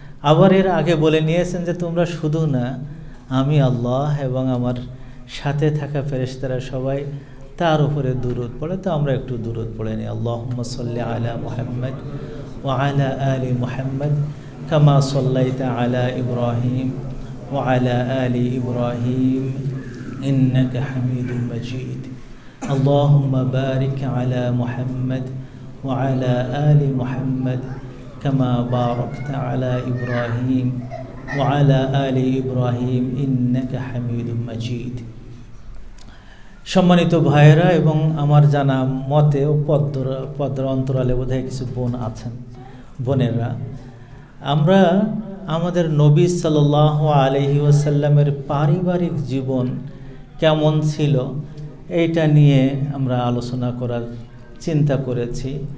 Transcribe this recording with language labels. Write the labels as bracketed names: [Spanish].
[Bangla] আবার এর আগে বলে নিয়েছেন যে তোমরা শুধু না, আমি আল্লাহ এবং আমার সাথে থাকা ফেরেশতারা সবাই তার উপরে দুরুদ পড়ে, তো আমরা একটু দুরুদ পড়ে নিই। [Arabic] আল্লাহুম্মা সাল্লি আলা মুহাম্মদ ওয়া আলা আলি মুহাম্মদ কামা সাল্লাইতা আলা ইব্রাহিম ওয়া আলা আলি ইব্রাহিম ইন্নাকা হামিদুম মাজিদ। আল্লাহুম্মা বারিক আলা মুহাম্মদ وعلى آل محمد كما باركت على إبراهيم وعلى آل إبراهيم إنك حميد مجيد। [Bangla] সম্মানিত ভাইরা এবং আমার জানা মতে পদ্র অন্তরালে বোধ হয় কিছু বোন আছেন, বোনেরা, আমরা আমাদের নবী সাল্লাল্লাহু আলাইহি ওয়াসাল্লামের পারিবারিক জীবন কেমন ছিল এইটা নিয়ে আমরা আলোচনা করার চিন্তা করেছি।